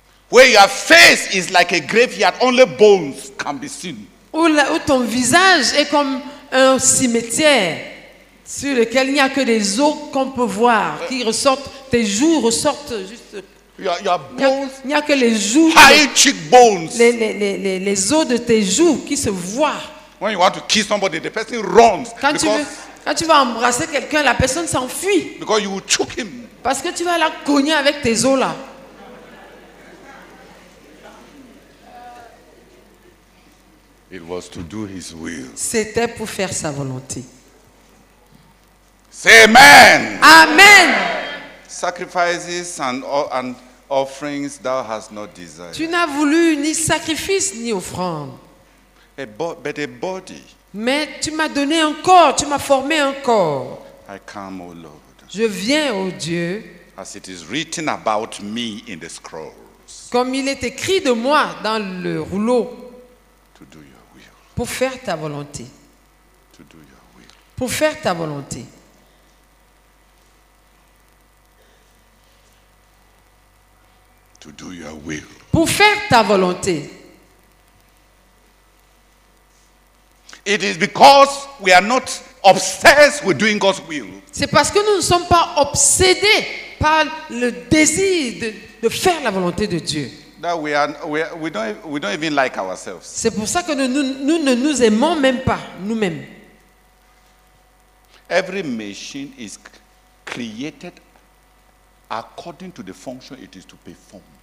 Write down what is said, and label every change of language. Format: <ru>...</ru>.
<en>where your face is like a graveyard, only bones can be seen.</en> <fr>Où ton visage est comme un cimetière sur lequel il n'y a que des os qu'on peut voir, qui ressortent, tes joues ressortent juste. Il n'y a que les joues,</fr> <en>high cheekbones.</en> <fr>Les os de tes joues qui se voient.</fr> <en>When you want to kiss somebody, the person runs.</en> <fr>Quand tu vas embrasser quelqu'un, la personne s'enfuit.</fr> <en>Because you will choke him.</en> <fr>Parce que tu vas la cogner avec tes os là.</fr> <en>It was to do his will.</en> <fr>C'était pour faire sa volonté.</fr> <en>Say amen.</en> <fr>Amen.</fr> <en>Sacrifices and offerings thou hast not desired.</en> <fr>Tu n'as voulu ni sacrifice ni offrande.</fr> <en>But a body.</en> <fr>Mais tu m'as donné un corps, tu m'as formé un corps.</fr> <en>I come, O Lord.</en> <fr>Je viens, O Dieu.</fr> <en>As it is written about me in the scrolls.</en> <fr>Comme il est écrit de moi dans le rouleau.</fr> <en>To do your will.</en> <fr>Pour faire ta volonté.</fr> <en>To do your will.</en> <fr>Pour faire ta volonté.</fr> <en>To do your will.</en> <fr>Pour faire ta volonté.</fr> <en>It is because we are not obsessed with doing God's will.</en> <fr>C'est parce que nous ne sommes pas obsédés par le désir de faire la volonté de Dieu.</fr> <en>That we don't even like ourselves.</en> <fr>C'est pour ça que nous ne nous aimons même pas nous-mêmes.</fr> <en>Every machine is created according to the function it is to perform.</en>